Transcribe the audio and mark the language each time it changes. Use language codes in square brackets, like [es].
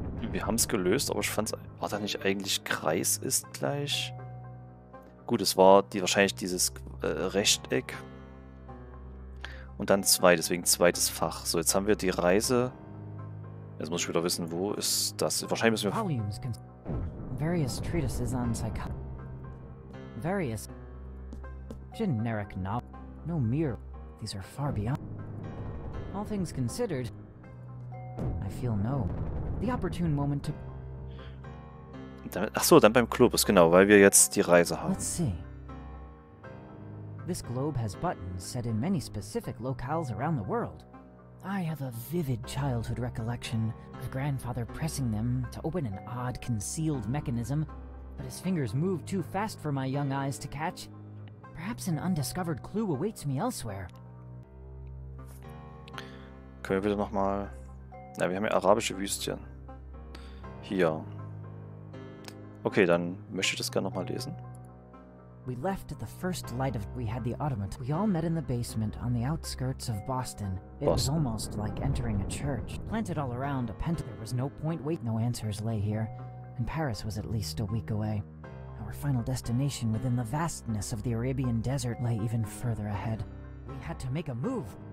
[de] Wir haben es gelöst, aber ich fand's. War da nicht eigentlich Kreis ist gleich? Gut, es war die, wahrscheinlich dieses Rechteck. Und dann zwei, deswegen zweites Fach. So, jetzt haben wir die Reise. Jetzt muss ich wieder wissen, wo ist das? Wahrscheinlich müssen wir. [en] Various treatises on psychology. Various. Generic novel. No mere. These are far beyond. All things considered. I feel no. The opportune moment to. [de] Achso, dann beim Globus, genau, weil wir jetzt die Reise haben. [en] Let's see. This globe has buttons set in many specific locales around the world. I have a vivid childhood recollection of grandfather pressing them to open an odd concealed mechanism, but his fingers move too fast for my young eyes to catch. Perhaps an undiscovered clue awaits me elsewhere. [de] Können wir wieder nochmal. Na, ja, wir haben ja arabische Wüstchen. Hier. Okay, dann möchte ich das gerne nochmal lesen. [en] We left at the first light of we had the automaton. We all met in the basement on the outskirts of Boston. It was almost like entering a church. Planted all around, a pent. There was no point wait. No answers lay here, and Paris was at least a week away. Our final destination within the vastness of the Arabian desert lay even further ahead. We had to make a move.